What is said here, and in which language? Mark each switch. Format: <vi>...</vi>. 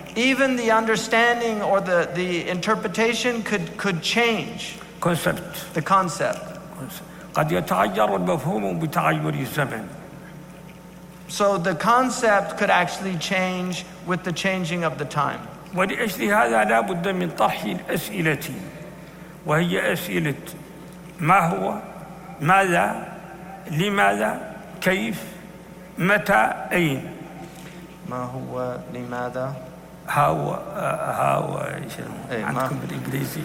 <en>Even the understanding or the interpretation could change. Concept. The concept.</en> <ar>قد يتغير المفهوم بتغير الزمن.</ar> <en>So the concept could actually change with the changing of the time.</en> <ar>ولأجل هذا لا بد من طرح الأسئلة وهي أسئلة ما هو ماذا لماذا كيف متى أين. ما هو لماذا</ar> <en>how how</en> <ar>ايش عندكم بالانجليزي</ar>